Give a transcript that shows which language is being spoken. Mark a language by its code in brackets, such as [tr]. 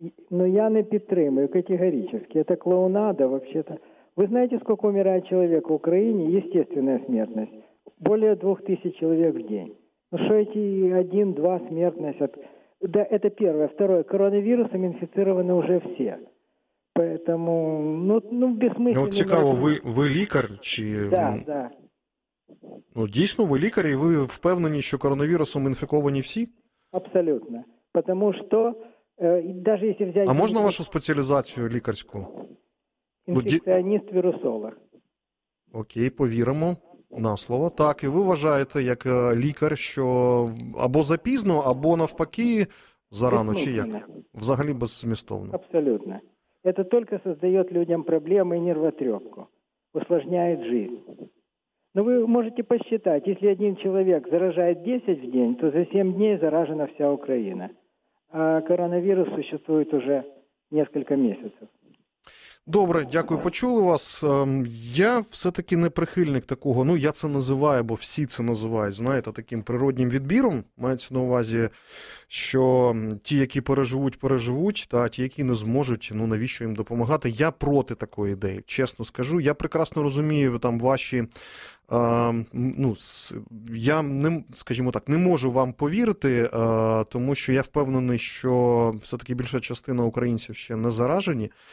[uk] Ну, я не підтримую категорично. Це клоунада, взагалі-то. Ви знаєте, скільки вмирає чоловік в Україні? Єстественна смертність. Більше 2000 чоловік в день. Ну, що ці 1-2 смертність? Да, це перше. Второе. Коронавірусом інфіцировані вже всі. [ru] Поэтому, ну, бессмысленно. [uk] Вот цікаво, ви лікар чи... [ru] Да, [uk] Ну, дійсно, ви лікар, і ви впевнені, що коронавірусом інфіковані всі? Абсолютно. [ru] Потому что, даже если взять... [uk] А можна вашу спеціалізацію лікарську? Інфекціоніст-вірусолог. Окей, повіримо на слово. Так, і ви вважаєте, як лікар, що або запізно, або навпаки, зарано, чи як? Взагалі беззмістовно. Абсолютно. [ru] Это только создает людям проблемы и нервотрепку, усложняет жизнь. Но вы можете посчитать, если один человек заражает 10 в день, то за 7 дней заражена вся Украина. А коронавирус существует уже несколько месяцев. [uk] Добре, дякую, почули вас. Я все-таки не прихильник такого, ну, я це називаю, бо всі це називають, знаєте, таким природнім відбіром. Мається на увазі, що ті, які переживуть, переживуть, та ті, які не зможуть, ну, навіщо їм допомагати. Я проти такої ідеї, чесно скажу. Я прекрасно розумію, там, ваші, ну, я, не, скажімо так, не можу вам повірити, тому що я впевнений, що все-таки більша частина українців ще не заражені.